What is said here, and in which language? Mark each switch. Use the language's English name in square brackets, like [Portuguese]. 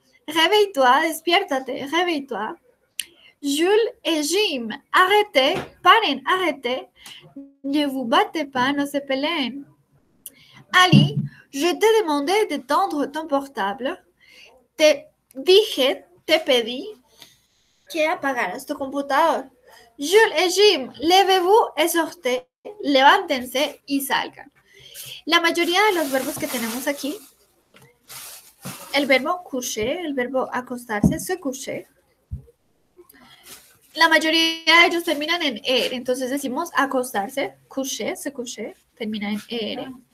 [French] Réveille-toi, [Spanish] despiértate, [French] réveille-toi. Jules et Jim, arrêtez, [Spanish] paren, [French] arrêtez. Ne vous battez pas, [Spanish] no se peleen. [French] Ali, je t'ai demandé d'étendre ton portable. [Spanish] Te dije, te pedí que apagaras tu computador. [French] Jules et Jim, levez-vous et sortez. [Spanish] Levántense y salgan. La mayoría de los verbos que tenemos aquí, el verbo coucher, el verbo acostarse, se coucher, la mayoría de ellos terminan en er, entonces decimos acostarse, coucher, se coucher, termina en er.